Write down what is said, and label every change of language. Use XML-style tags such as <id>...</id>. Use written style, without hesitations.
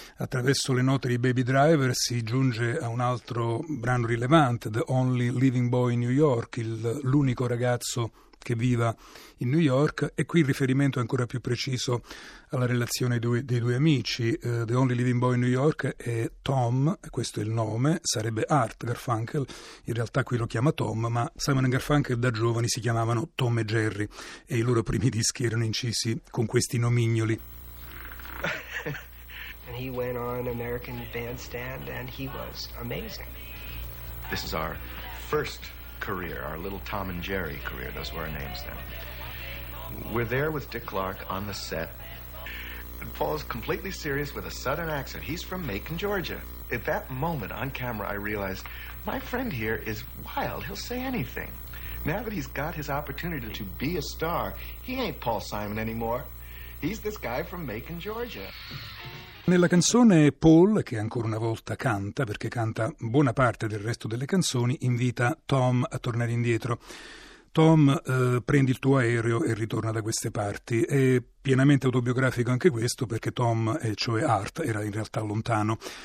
<it>Attraverso le note di Baby Driver si giunge a un altro brano rilevante, The Only Living Boy in New York, l'unico ragazzo che viva in New York, e qui il riferimento è ancora più preciso alla relazione dei due amici. The Only Living Boy in New York è Tom, questo è il nome, sarebbe Art Garfunkel, in realtà qui lo chiama Tom, ma Simon & Garfunkel da giovani si chiamavano Tom e Jerry e i loro primi dischi erano incisi con questi nomignoli.</it> <en>And he went on American Bandstand and he was amazing. This is our first career, our little Tom and Jerry career, those were our names then. We're there with Dick Clark on the set, and Paul's completely serious with a southern accent. He's from Macon, Georgia. At that moment on camera, I realized my friend here is wild. He'll say anything. Now that he's got his opportunity to be a star, he ain't Paul Simon anymore. He's this guy from Macon, Georgia.</en> <it>Nella canzone Paul, che ancora una volta canta, perché canta buona parte del resto delle canzoni, invita Tom a tornare indietro. Tom, prendi il tuo aereo e ritorna da queste parti. È pienamente autobiografico anche questo, perché Tom, cioè Art, era in realtà lontano.</it>